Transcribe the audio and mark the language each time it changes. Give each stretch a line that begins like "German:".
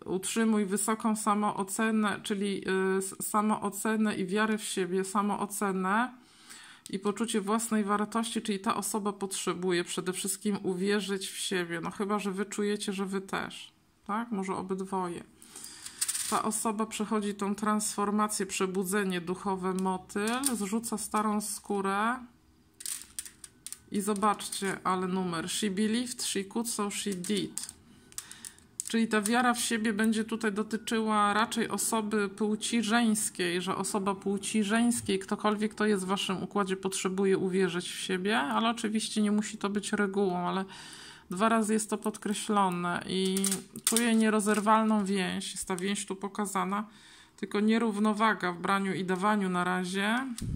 Polish: Utrzymuj wysoką samoocenę, czyli samoocenę i wiarę w siebie, samoocenę i poczucie własnej wartości, czyli ta osoba potrzebuje przede wszystkim uwierzyć w siebie. No chyba, że wy czujecie, że wy też, tak? Może obydwoje. Ta osoba przechodzi tą transformację, przebudzenie duchowe, motyl, zrzuca starą skórę i zobaczcie, ale numer.
English: She believed, she could, so she did.
Polish: Czyli ta wiara w siebie będzie tutaj dotyczyła raczej osoby płci żeńskiej, że osoba płci żeńskiej, ktokolwiek to jest w waszym układzie, potrzebuje uwierzyć w siebie, ale oczywiście nie musi to być regułą, ale dwa razy jest to podkreślone i czuję nierozerwalną więź, jest ta więź tu pokazana, tylko nierównowaga w braniu i dawaniu na razie.